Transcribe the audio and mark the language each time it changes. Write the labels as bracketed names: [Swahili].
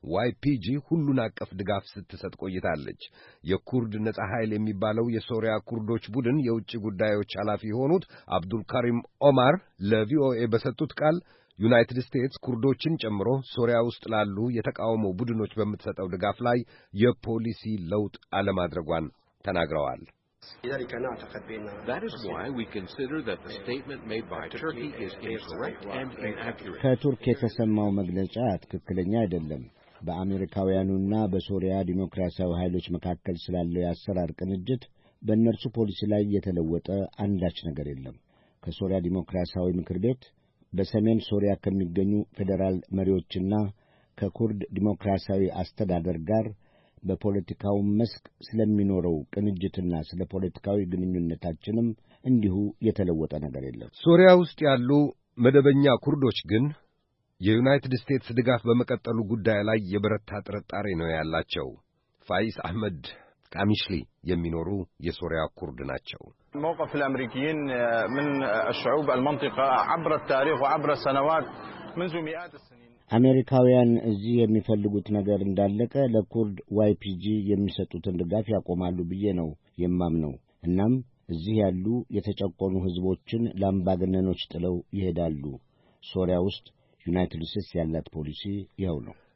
[Amharic] YPG ሁሉን አቀፍ ድጋፍ ስትሰጥ ቆይታለች። የኩርድ ነጻ ኃይል የሚባለው የሶሪያ ኩርዶች ቡድን የውጭ ጉዳዮች ኃላፊ የሆኑት አብዱል ካሪም ኦማር ለቪኦኤ በሰጡት ቃል ዩናይትድ ስቴትስ ኩርዶችን ጨምሮ ሶሪያ ውስጥ ላሉ የተቃውሞ ቡድኖች በምትሰጠው ድጋፍ ላይ የፖሊሲ ለውጥ አለማድረጓን ተናግረዋል። [English] That is why we consider that the statement made by Turkey is incorrect and inaccurate. [Amharic] ከቱርክ የተሰማው መግለጫ ትክክለኛ አይደለም። በአሜሪካውያኑና በሶሪያ ዲሞክራሲያዊ ኃይሎች መካከል ስላለው ያሰራር ቅንጅት በእነርሱ ፖሊሲ ላይ የተለወጠ አንዳች ነገር የለም። ከሶሪያ ዲሞክራሲያዊ ምክር ቤት በሰሜን ሶሪያ ከሚገኙ ፌዴራል መሪዎችና ከኩርድ ዲሞክራሲያዊ አስተዳደር ጋር በፖለቲካው መስክ ስለሚኖረው ቅንጅትና ስለፖለቲካዊ ግንኙነታችንም እንዲሁ የተለወጠ ነገር የለም። ሶሪያ ውስጥ ያሉ መደበኛ ኩርዶች ግን የዩናይትድ ስቴትስ ድጋፍ በመቀጠሉ ጉዳይ ላይ የበረታ ጥርጣሬ ነው ያላቸው። ፋይስ አህመድ ካሚሽሊ የሚኖሩ የሶሪያ ኩርድ ናቸው። [Arabic] موقف الامريكيين من الشعوب المنطقه عبر التاريخ وعبر السنوات منذ مئات السنين [Amharic] አሜሪካውያን እዚህ የሚፈልጉት ነገር እንዳለቀ ለኩርድ YPG የሚሰጡትን ድጋፍ ያቆማሉ ብዬ ነው የማምነው። እናም እዚህ ያሉ የተጨቆኑ ህዝቦችን ላምባገነኖች ጥለው ይሄዳሉ። ሶሪያ ውስጥ ዩናይትድ ስቴትስ ያላት ፖሊሲ ይኸው ነው።